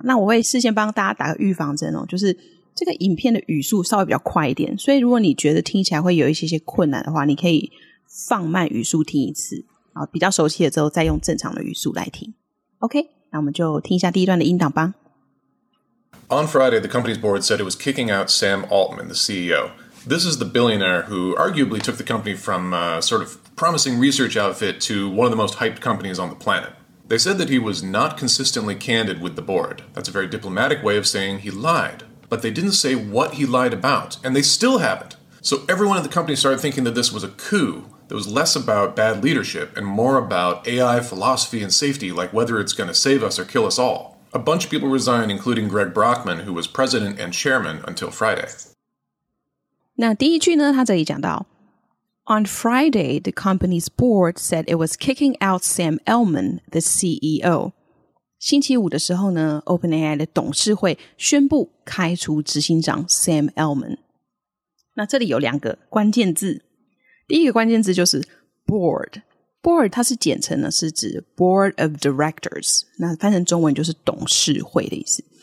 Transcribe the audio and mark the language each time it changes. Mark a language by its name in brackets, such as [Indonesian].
[Chinese] 那我会事先帮大家打个预防针哦，就是这个影片的语速稍微比较快一点，所以如果你觉得听起来会有一些困难的话，你可以放慢语速听一次，然后比较熟悉了之后再用正常的语速来听。 OK， 那我们就听一下第一段的音档吧。 [English] On Friday, the company's board said it was kicking out Sam Altman, the CEO. This is the billionaire who arguably took the company from a sort of promising research outfit to one of the most hyped companies on the planet. They said that he was not consistently candid with the board. That's a very diplomatic way of saying he lied. But they didn't say what he lied about, and they still haven't. So everyone in the company started thinking that this was a coup that was less about bad leadership and more about AI philosophy and safety, like whether it's going to save us or kill us all. A bunch of people resigned, including Greg Brockman, who was president and chairman until Friday. [Chinese] 那第一句呢, 他这里讲到, [English] On Friday, the company's board said it was kicking out Sam Altman, the CEO. [Chinese] 星期五的时候呢, OpenAI的董事会 宣布开除执行长 Sam Altman。那这里有两个关键字, 第一个关键字就是 board。 Board它是简称呢, 是指 Board of Directors, 那翻成中文就是董事会的意思。